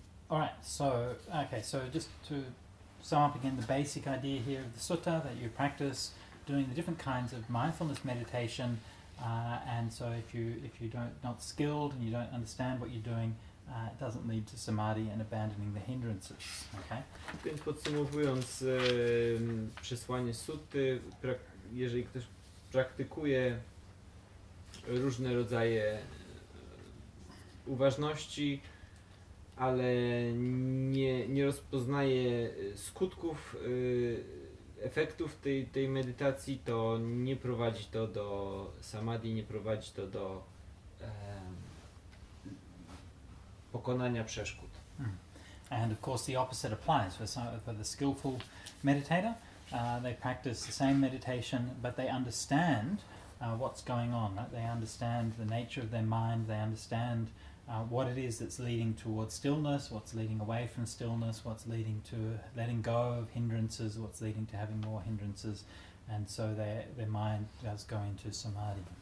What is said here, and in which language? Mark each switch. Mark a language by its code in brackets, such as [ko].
[en] Alright, so just to sum up again the basic idea here of the sutta, that you practice doing the different kinds of mindfulness meditation, and so if you not skilled and you don't understand what you're doing, it doesn't lead to samadhi and abandoning the hindrances. Okay? [pl] Więc podsumowując przesłanie sutty, jeżeli ktoś praktykuje różne rodzaje uważności, ale nie rozpoznaje skutków, efektów tej medytacji, to nie prowadzi to do samadhi, nie prowadzi to do pokonania przeszkód. [en] And of course the opposite applies for the skillful meditator. They practice the same meditation, but they understand what's going on. Right? They understand the nature of their mind, they understand what it is that's leading towards stillness, what's leading away from stillness, what's leading to letting go of hindrances, what's leading to having more hindrances, and so their mind does go into samadhi.